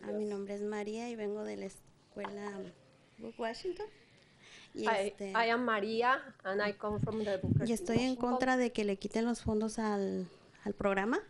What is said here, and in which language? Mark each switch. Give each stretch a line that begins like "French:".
Spanish: Mi nombre es Maria y vengo de la escuela Book Washington.
English: I am Maria, and I come from the Booker T.
Spanish: Y estoy en contra de que le quiten los fondos al programa.